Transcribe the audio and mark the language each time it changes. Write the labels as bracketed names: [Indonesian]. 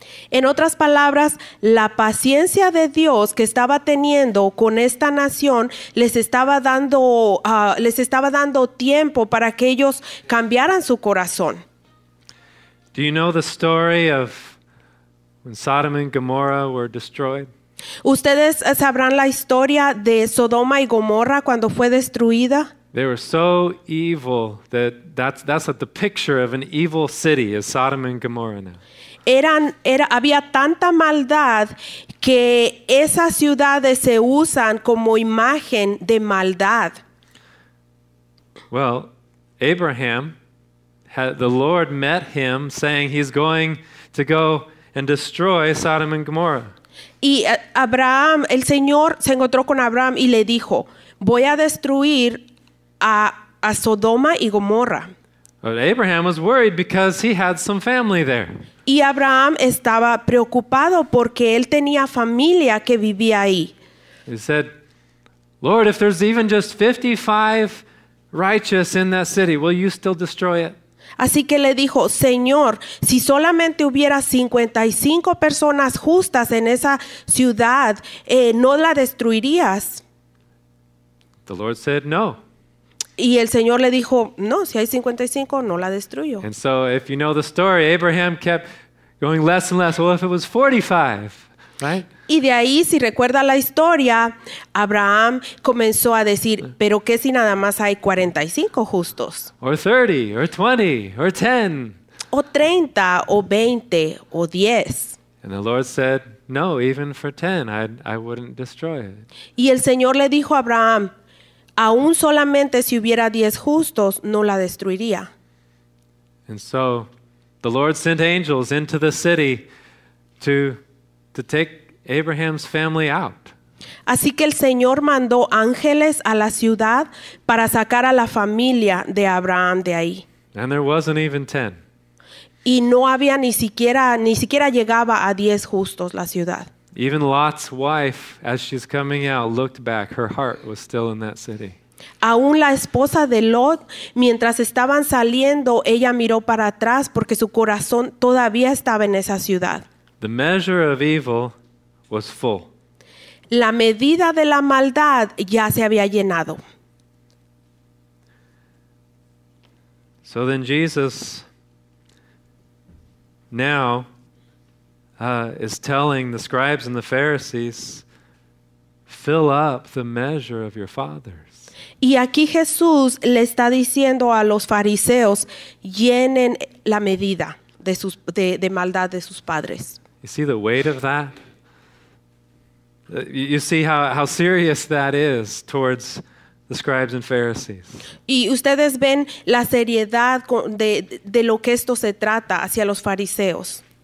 [Spanish] En otras palabras, la paciencia de Dios que estaba teniendo con esta nación les estaba dando tiempo para que ellos cambiaran su corazón. [English] Do you know the story of when Sodom and Gomorrah were destroyed? [Spanish] ¿Ustedes sabrán la historia de Sodoma y Gomorra cuando fue destruida? [English] They were so evil that that's the picture of an evil city is Sodom and Gomorrah now. [Spanish] Había tanta maldad que esas ciudades se usan como imagen de maldad. [English] Well, Abraham, the Lord met him saying he's going to go and destroy Sodom and Gomorrah. [Spanish] Y Abraham, el Señor se encontró con Abraham y le dijo, voy a destruir a Sodoma y Gomorra. [English] But Abraham was worried because he had some family there. [Spanish] Y Abraham estaba preocupado porque él tenía familia que vivía ahí. [English] He said, Lord, if there's even just 55 righteous in that city, will you still destroy it? [Spanish] Así que le dijo, Señor, si solamente hubiera 55 personas justas en esa ciudad, ¿no la destruirías? [English] The Lord said, no. [Spanish] Y el Señor le dijo, no, si hay 55, no la destruyo. [English] And so, if you know the story, Abraham kept going less and less. Well, if it was 45, right? [Spanish] Y de ahí, si recuerda la historia, Abraham comenzó a decir, ¿pero qué si nada más hay 45 justos? [English] Or 30, or 20, or 10. [Spanish] O 30, o 20, o 10. [English] And the Lord said, no, even for 10, I wouldn't destroy it. [Spanish] Y el Señor le dijo a Abraham, aún solamente si hubiera 10 justos, no la destruiría. [English] And so, the Lord sent angels into the city to take Abraham's family out. [Spanish] Así que el Señor mandó ángeles a la ciudad para sacar a la familia de Abraham de ahí. [English] And there wasn't even 10. [Spanish] Y no había ni siquiera llegaba a 10 justos la ciudad. [English] Even Lot's wife, as she's coming out, looked back. Her heart was still in that city. [Spanish] Aún la esposa de Lot, mientras estaban saliendo, ella miró para atrás porque su corazón todavía estaba en esa ciudad. [English] The measure of evil was full. [Spanish] La medida de la maldad ya se había llenado. [English] So then Jesus now is telling the scribes and the Pharisees, fill up the measure of your fathers. [Spanish] Y aquí Jesús le está diciendo a los fariseos, llenen la medida de sus de maldad de sus padres. [English] You see the weight of that? You see how serious that is towards the scribes and Pharisees. [Spanish] Y ustedes ven la seriedad de lo que esto se trata hacia los fariseos.